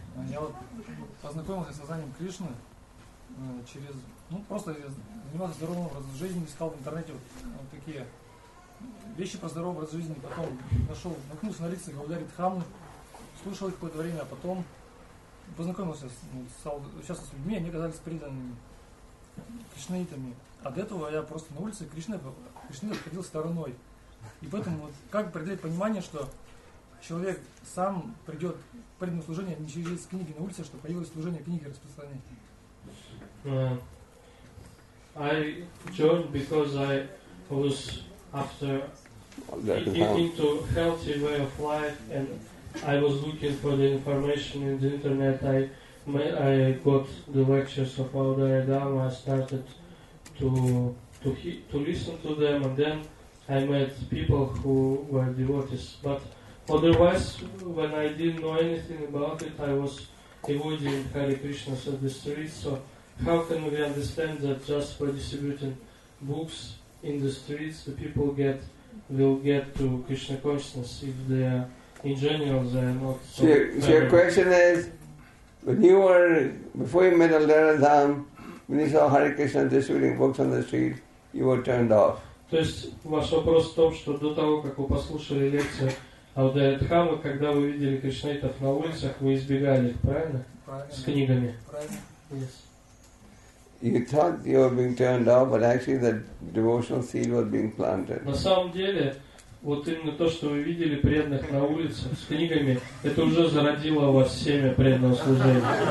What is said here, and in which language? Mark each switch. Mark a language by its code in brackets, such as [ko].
[ru] Я вот познакомился с сознанием Кришны через, ну просто я занимался здоровым образом жизни, искал в интернете вот такие вещи про здоровый образ жизни, потом нашел, наткнулся на лекции Гаудари Дхамы, слушал их какое-то время, а потом познакомился с людьми, они казались преданными кришнаитами. А до этого я просто на улице Кришны обходил стороной. И поэтому вот как определить понимание, что человек сам придет к преданному служению не через книги на улице, что появилось служение книги распространения. [en] I joined because I was after into healthy way of life and I was looking for the information in the internet. I got the lectures of Audhaya Dhamma. I started to listen to them and then I met people who were devotees. But otherwise, when I didn't know anything about it, I was avoiding Hare Krishna on the streets. So how can we understand that just by distributing books in the streets, the people will get to Krishna consciousness if they are, in general, they are not... So your question is, before you met Aldera Dham, when you saw Hare Krishna distributing books on the street, you were turned off. [ru] То есть ваш вопрос в том, что до того, как вы послушали лекцию, а вот этот хама, когда вы видели кришнаитов на улицах, вы избегали их, правильно? Правильно. С книгами. Правильно. [en] Yes. You thought you were being turned off, but actually the devotional seed was being planted. [ru] На самом деле, вот именно то, что вы видели преданных на улицах с книгами, это уже зародило у вас семя преданного служения.